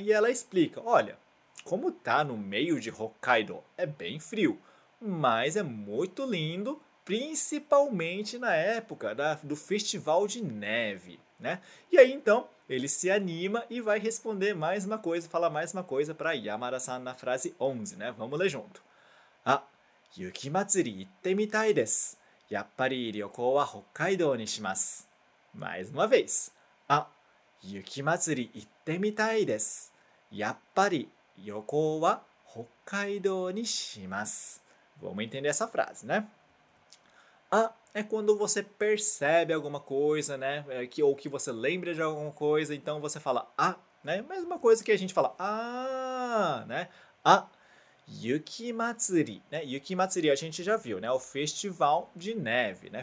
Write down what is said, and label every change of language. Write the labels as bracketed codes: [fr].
[pt] E ela explica, olha, como tá no meio de Hokkaido, é bem frio, mas é muito lindo, principalmente na época do festival de neve. Né? E aí, então, ele se anima e vai responder mais uma coisa, falar mais uma coisa para Yamada-san na frase 11, né? Vamos ler junto. Ah, [ja] Yuki Matsuri itte mitai desu. やっぱり旅行は北海道にします。 [pt] Mais uma vez. [ja] あ、雪祭り行ってみたいです。やっぱり旅行は北海道にします。 [pt] Vamos entender essa frase, né? あ、é quando você percebe alguma coisa, né? Ou que você lembra de alguma coisa, então você fala あ、né? Mesma coisa que a gente fala あ、né? あ、 Yukimatsuri, né? Yukimatsuri a gente já viu, né? O festival de neve, né?